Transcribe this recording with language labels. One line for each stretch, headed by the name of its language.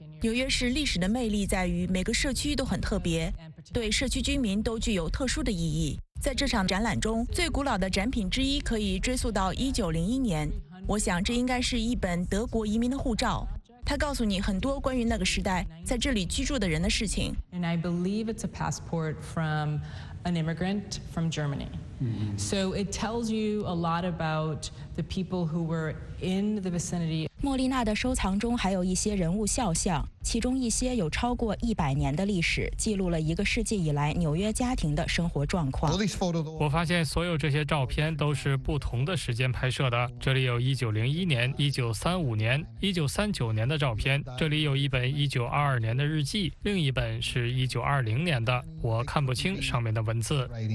Chinese: 纽约市历史的魅力在于每个社区都很特别，对社区居民都具有特殊的意义。在这场展览中，最古老的展品之一可以追溯到1901年，我想这应该是一本德国移民的护照。它告诉你很多关于那个时代在这里居住的人的事情。
English: And I believe it's a passport from an immigrant from Germany. So it tells you a lot about the people who were in the vicinity.
Chinese: 莫莉娜的收藏中还有一些人物肖像，其中一些有超过100年的历史，记录了一个世纪以来纽约家庭的生活状况。我发现所有这些照片都是不同的时间拍摄的。这里有1901年、1935年、1939年的照片，这里有一本1922年的日记，另一本是1920年的，我看不清上面的文字。